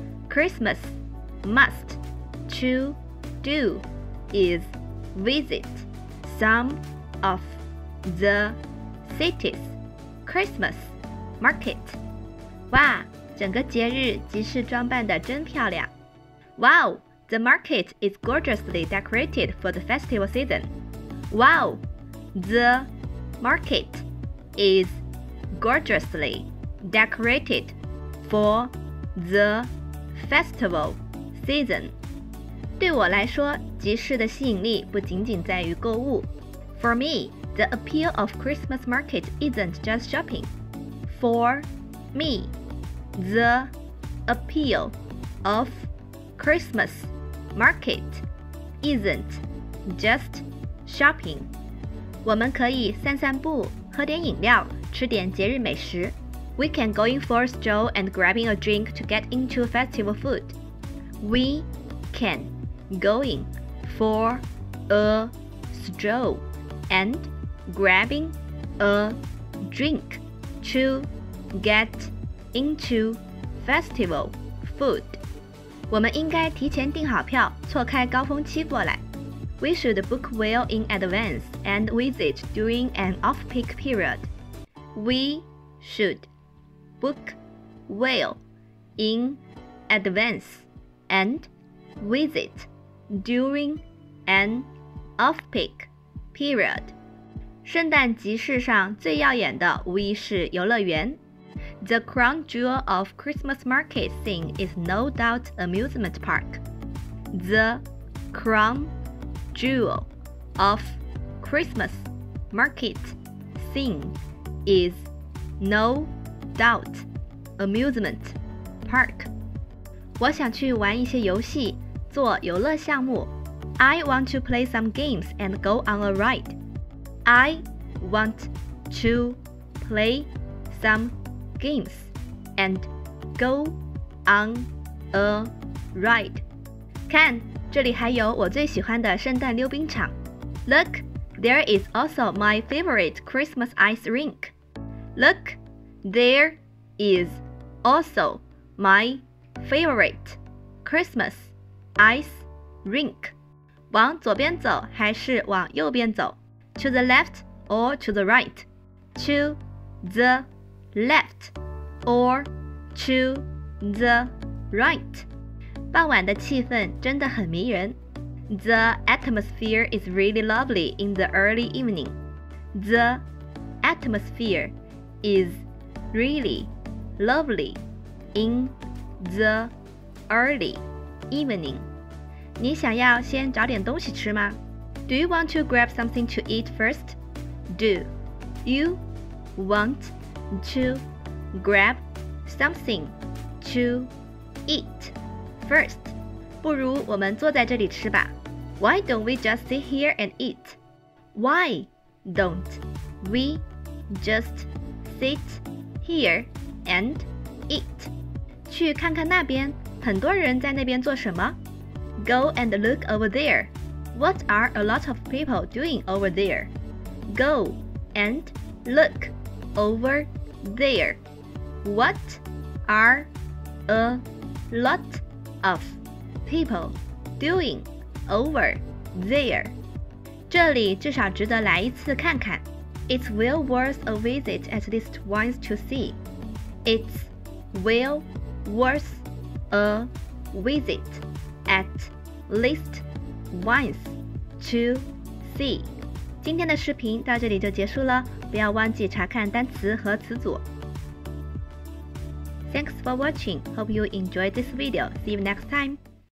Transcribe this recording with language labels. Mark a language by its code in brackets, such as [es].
[en] Christmas must to do is visit some of the city's Christmas market. [zh] 哇，整个节日集市装扮得真漂亮。 [en] Wow, the market is gorgeously decorated for the festival season. Wow, the market is gorgeously decorated for the festival season. [zh] 对我来说，集市的吸引力不仅仅在于购物。 [en] For me, the appeal of Christmas market isn't just shopping. For me,The appeal of Christmas market isn't just shopping. [zh] 我们可以散散步，喝点饮料，吃点节日美食。 [en] We can go in for a stroll and grabbing a drink to get into festival food. We can go in for a stroll and grabbing a drink to get into festival food. [zh] 我们应该提前订好票，错开高峰期过来。 [en] We should book well in advance and visit during an off-peak period. We should book well in advance and visit during an off-peak period. [zh] 圣诞集市上最耀眼的无疑是游乐园。 [en] The crown jewel of Christmas market scene is no doubt amusement park. The crown jewel of Christmas market scene is no doubt amusement park. [zh] 我想去玩一些游戏，做游乐项目。 [en] I want to play some games and go on a ride. I want to play some games and go on a ride. [zh] 看，这里还有我最喜欢的圣诞溜冰场。 [en] Look, there is also my favorite Christmas ice rink. Look, there is also my favorite Christmas ice rink. [zh] 往左边走还是往右边走？ [en] To the left or to the right? To the left. Or to the right. [zh] 傍晚的气氛真的很迷人。 [en] The atmosphere is really lovely in the early evening. The atmosphere is really lovely in the early evening. [zh] 你想要先找点东西吃吗？ [en] Do you want to grab something to eat first? Do you want to grab something to eat first. [zh] 不如我们坐在这里吃吧。 [en] Why don't we just sit here and eat? Why don't we just sit here and eat? [zh] 去看看那边，很多人在那边做什么？ [en] Go and look over there. What are a lot of people doing over there? Go and look over there. What are a lot of people doing over there? [zh] 这里至少值得来一次看看。 [en] It's well worth a visit at least once to see. It's well worth a visit at least once to see. [zh] 今天的视频到这里就结束了，不要忘记查看单词和词组。 [en] Thanks for watching. Hope you enjoyed this video. See you next time.